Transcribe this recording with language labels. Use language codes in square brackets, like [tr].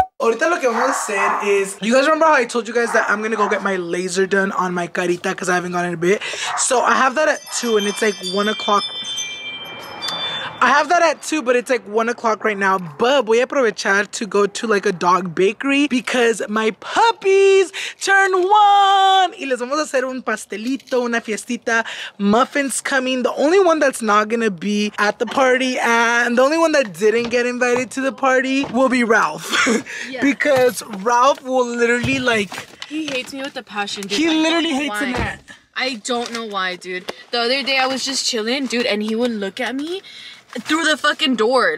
[es] Ahorita lo que vamos a hacer [en] is, you guys remember how I told you guys that I'm gonna go get my laser done on my carita because I haven't gone in a bit? So I have that at 2 and it's like 1 o'clock. I have that at 2, but it's like 1 o'clock right now. But [es] voy a aprovechar [en] to go to like a dog bakery because my puppies turn 1. [es] Y les vamos a hacer un pastelito, una fiestita. [en] Muffin's coming. The only one that's not going to be at the party and the only one that didn't get invited to the party will be Ralph. Because Ralph will literally like... He hates me with a passion, dude. He literally hates a gnat. I don't know why, dude. The other day I was just chilling, dude, and he would look at me through the fucking door.